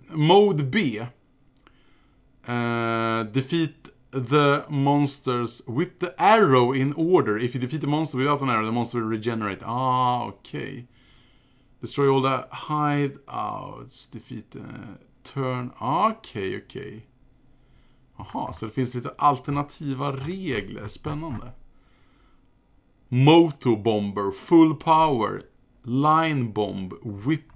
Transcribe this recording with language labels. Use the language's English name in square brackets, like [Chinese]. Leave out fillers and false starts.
[English] Mode B, defeat the monsters with the arrow in order. If you defeat the monster without an arrow, the monster will regenerate. Ah, okej. Okay. Destroy all the hideouts, defeat the turn. [Swedish] Okej, okej. Aha, så det finns lite alternativa regler. Spännande. [English] Moto bomber, full power, line bomb, whip.